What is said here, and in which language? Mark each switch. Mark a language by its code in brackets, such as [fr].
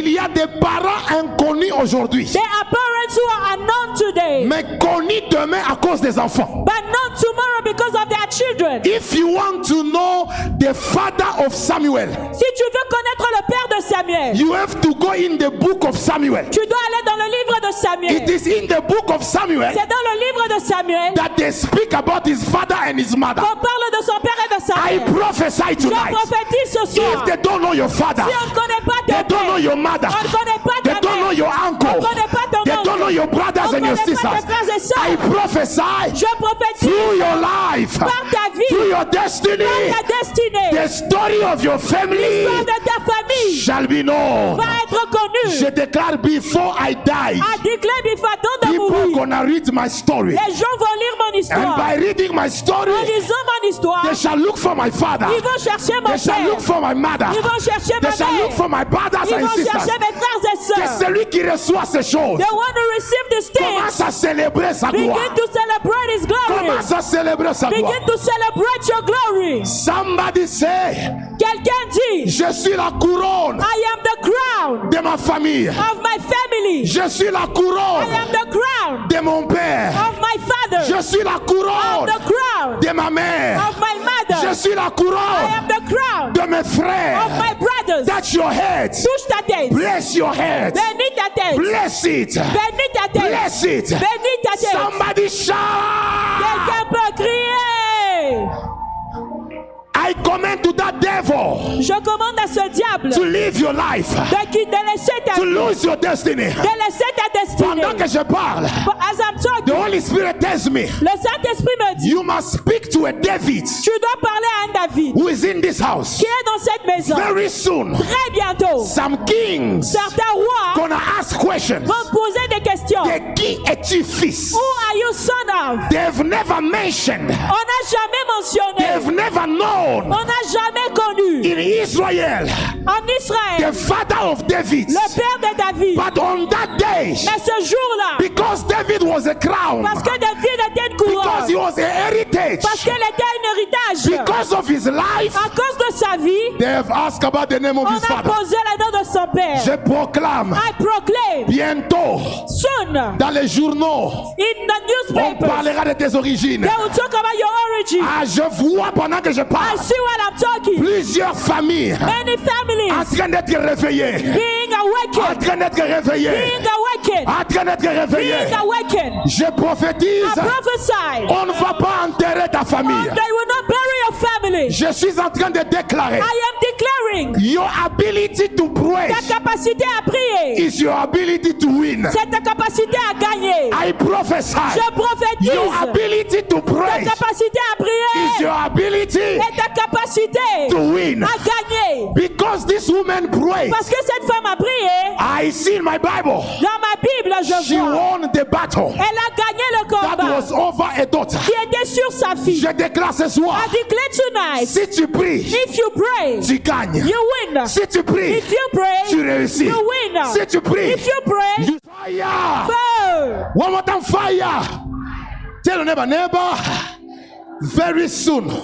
[fr] Qu'il y a des parents inconnus aujourd'hui. [en] They are parents who are unknown today. [fr] Mais connus demain à cause des enfants. [en] But not tomorrow because of their children. If you want to know the father of Samuel. [fr] Si tu veux connaître le père de Samuel. [en] You have to go in the book of Samuel. [fr] Tu dois aller dans le livre de Samuel. [en] It is in the book of Samuel. [fr] C'est dans le livre de Samuel. [en] That they speak about his father and his mother. [fr] On parle de son père et de sa mère. [en] I prophesy tonight. [fr] Je prophétise ce soir. [en] If they don't know your father. [fr] Si on ne connaît pas ton [en] they don't know your mother. [fr] On ne connaît pas ta [en] they don't know your uncle. [fr] On ne connaît pas ton [en] they [fr] oncle. [en] Don't know your brothers [fr] on [en] and your sisters. I prophesy. [fr] Je prophétise. [en] Through your life. [fr] Par ta vie. [en] Through your destiny. [fr] Par ta destinée. [en] The story of your family. [fr] L'histoire de ta famille. [en] Shall be known. [fr] Va être connu. Je déclare [en] before I die. I declare before I don't die. People gonna read my story. [fr] Les gens vont lire mon histoire. [en] And by reading my story. [fr] En lisant mon histoire. [en] They shall look for my father. [fr] Ils vont chercher mon [en] they [fr] père. [en] Shall look for my mother. [fr] Ils vont chercher [en] they [fr] ma mère. [en] Shall look for my brothers [fr] ils [en] and sisters. [fr] Ils vont chercher mes frères et sœurs. C'est celui qui reçoit ces choses. [en] The one who receives this thing. [fr] Commence à célébrer sa gloire. [en] Begin to celebrate his glory. [fr] Commence à célébrer sa gloire. [en] Begin to celebrate your glory. Somebody say. [fr] Quelqu'un dit. Je suis la couronne. [en] I am the crown. [fr] De ma famille. [en] Of my family. [fr] Je suis la couronne. [en] I am the crown. [fr] De mon père. [en] Of my father. [fr] Je suis la couronne. [en] Of the crown. [fr] De ma mère. [en] Of my mother. [fr] Je suis la couronne. [en] I am the crown. [fr] De mes frères. [en] Of my brothers. Touch your head. Touch [fr] ta tête. [en] Bless your head. [fr] Bénis ta tête. [en] Bless it. [fr] Bénis ta tête. [en] Bless it. [fr] Bénis ta tête. [en] Somebody shout. [fr] Quelqu'un peut crier. [en] I command to that devil. [fr] Je commande à ce diable. [en] To leave your life. [fr] De laisser ta [en] to [fr] vie. [en] Lose your destiny. [fr] De laisser ta destinée. Pendant que je parle. [en] As I'm talking. The Holy Spirit tells me. [fr] Le Saint-Esprit me dit. [en] You must speak to a David. [fr] Tu dois parler à un David. [en] Who is in this house. [fr] Qui est dans cette maison. [en] Very soon. [fr] Très bientôt. [en] Some kings. [fr] Certains rois. [en] Gonna ask questions. [fr] Vont poser des questions. De qui es-tu fils. [en] Who are you son of. They've never mentioned. [fr] On n'a jamais mentionné. [en] They've never known. [fr] On n'a jamais connu [en] in Israel, [fr] en Israël [en] the father of David, [fr] le père de David. [en] But on that day, [fr] mais ce jour-là, [en] because David was a crown, [fr] parce que David était une couronne, [en] because he was a heritage, [fr] parce qu'il était un héritage, [en] because of his life, [fr] à cause de sa vie, [en] they have asked about the name of [fr] on [en] his father. [fr] A posé le nom de son père. Je proclame, [en] I proclaim, [fr] bientôt, [en] soon, [fr] dans les journaux, [en] in the newspapers, [fr] on parlera de tes origines. [en] They will talk about your origin. [fr] Ah, je vois pendant que je parle. [en] I see what I'm talking. [fr] Plusieurs familles. [en] Many families. [fr] En train d'être réveillées. [en] Being awakened. [fr] En train d'être réveillées. [en] Being awakened. [fr] En train d'être réveillées. [en] Being awakened. [fr] Je prophétise. [en] I prophesy. [fr] On ne va pas enterrer ta famille. [en] They will not bury your family. [fr] Je suis en train de déclarer. [en] I am declaring. Your ability to pray. [fr] Ta capacité à prier. [en] Is your ability to win. [fr] C'est ta capacité à gagner. [en] I prophesy. [fr] Je prophétise. [en] Your ability to pray. [fr] Ta capacité à prier. [en] Is your ability. [fr] Ta capacité [en] to win. [fr] À gagner. [en] Because this woman prayed. [fr] Parce que cette femme a prié. [en] I see in my Bible. [fr] Dans ma Bible, je [en] she [fr] vois. [en] Won the battle. [fr] Elle a gagné le combat. [en] That was over a daughter. [fr] Qui était sur sa fille. Je déclare ce soir. [en] I declare tonight. [fr] Si tu pries. [en] If you pray. [fr] Tu gagnes. [en] You win. [fr] Si tu pries. [en] If you pray. [fr] Tu réussis. [en] You win. [fr] Si tu pries. [en] If you pray. You fire. One more time, fire. Tell your neighbor. Very soon,